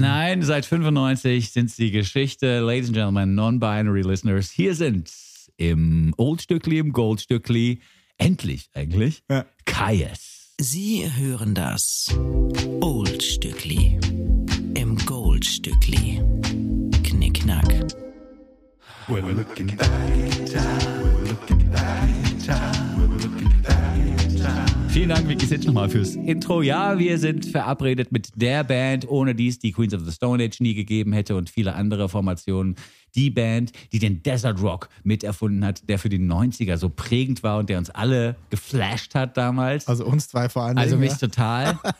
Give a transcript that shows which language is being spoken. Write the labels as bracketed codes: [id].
[de] Nein, seit 95 sind sie Geschichte. [en] Ladies and Gentlemen, Non-Binary Listeners, [de] hier sind im Oldstückli, im Goldstückli, endlich eigentlich, ja. Kaies. Sie hören das Oldstückli im Goldstückli. Knickknack. [en] We're looking back in time. We're looking back in time. We're looking back in time. [de] Vielen Dank, Vicky Sitch, nochmal fürs Intro. Ja, wir sind verabredet mit der Band, ohne die es die Queens of the Stone Age nie gegeben hätte und viele andere Formationen. Die Band, die den Desert Rock miterfunden hat, der für die 90er so prägend war und der uns alle geflasht hat damals. Also uns zwei vor allem. Also mich total.